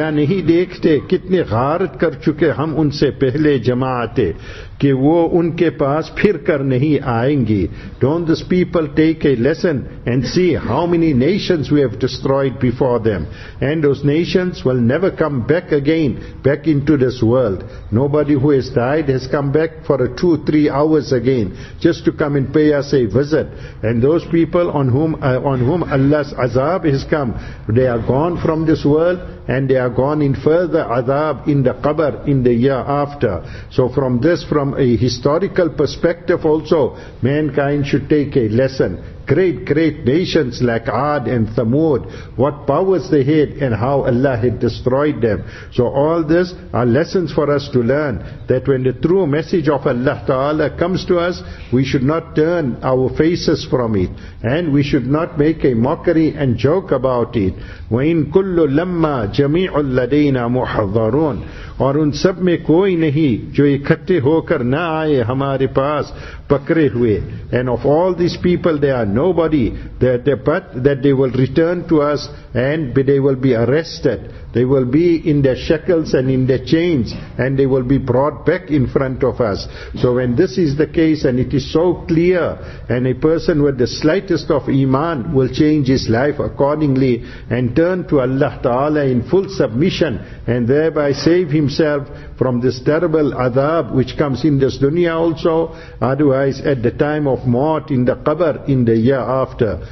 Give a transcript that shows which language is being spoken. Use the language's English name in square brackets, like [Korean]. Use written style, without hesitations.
[Urdu] کیا نہیں دیکھتے کتنے غارت کر چکے ہم ان سے پہلے جماعتیں کہ وہ ان کے پاس پھر کر نہیں آئیں گی. [English] Don't these people take a lesson and see how many nations we have destroyed before them, and those nations will never come back again back into this world. Nobody who has died has come back for a 2-3 hours again just to come and pay us a visit. And those people on whom Allah's azab has come, they are gone from this world, and they are gone in further azab in the qabr in the year after. So from this, from a historical perspective also, mankind should take a lesson. Great, great nations like Ad and Thamud, what powers they had and how Allah had destroyed them. So all this are lessons for us to learn, that when the true message of Allah Ta'ala comes to us, we should not turn our faces from it, and we should not make a mockery and joke about it. [Arabic] وَإِن كُلُّ لَمَّا جَمِيعُ الَّذَيْنَا مُحَضَّرُونَ. [Urdu] اور ان سب میں کوئی نہیں جو اکھٹے ہو کر نہ آئے ہمارے پاس پکرے ہوئے. [English] And of all these people, there are nobody that they will return to us, and they will be arrested. They will be in their shackles and in their chains, and they will be brought back in front of us. So when this is the case, and it is so clear, and a person with the slightest of iman will change his life accordingly and turn to Allah Ta'ala in full submission, and thereby save himself from this terrible adab which comes in this dunya also, otherwise at the time of maut in the qabr in the year after.